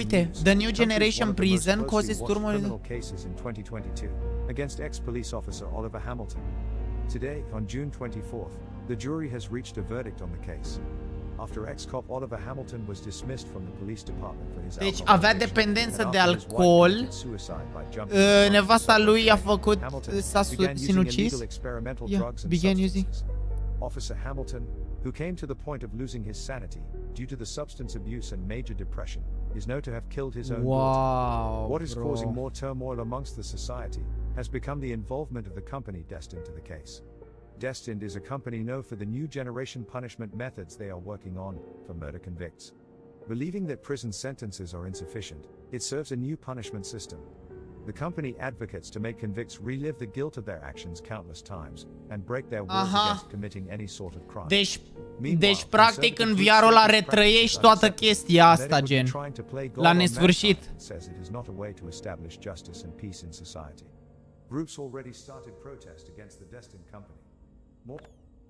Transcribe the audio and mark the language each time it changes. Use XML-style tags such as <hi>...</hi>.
<en>news. Uite, the new generation prison causes turmoil in 2022 against ex-police officer Oliver Hamilton. Today, on June 24th, the jury has reached a verdict on the case. After ex-cop Oliver Hamilton was dismissed from the police department for his</en> <ro>deci avea dependență de alcool. Nevasta lui a făcut s-a sinucis.</ro> <en>Began using Officer Hamilton, who came to the point of losing his sanity due to the substance abuse and major depression, is known to have killed his own daughter. What is causing more turmoil amongst the society has become the involvement of the company Destined to the case. Destined is a company known for the new generation punishment methods they are working on for murder convicts. Believing that prison sentences are insufficient, it serves a new punishment system. The company advocates to make convicts relive the guilt of their actions countless times and break their will against committing any sort of crime.</en> <ro>Deci practic în VR-ul ăla retrăiești toată chestia asta, gen, la nesfârșit.</ro> <en>Says it is not a way to establish justice and peace in society. Groups already started protest against the Destined company. More.</en>